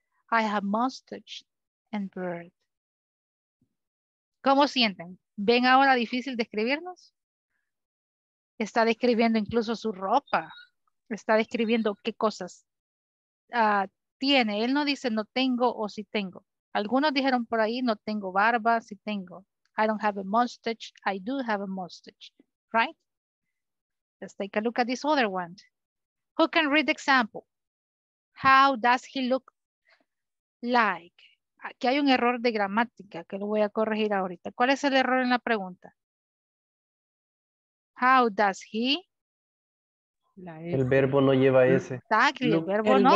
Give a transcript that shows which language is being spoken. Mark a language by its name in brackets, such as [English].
[English] I have mustache and beard. [Spanish] ¿Cómo sienten? ¿Ven ahora difícil describirnos? Está describiendo incluso su ropa. Está describiendo qué cosas tiene. Él no dice no tengo o sí tengo. Algunos dijeron por ahí no tengo barba, sí tengo. [English] I don't have a mustache, I do have a mustache. Right? Let's take a look at this other one. Who can read the example? How does he look? [Spanish] Like, aquí hay un error de gramática que lo voy a corregir ahorita. ¿Cuál es el error en la pregunta? [English] How does he? [Spanish] La S. El verbo no lleva S. [English] Exactly, look, [Spanish] el verbo el no.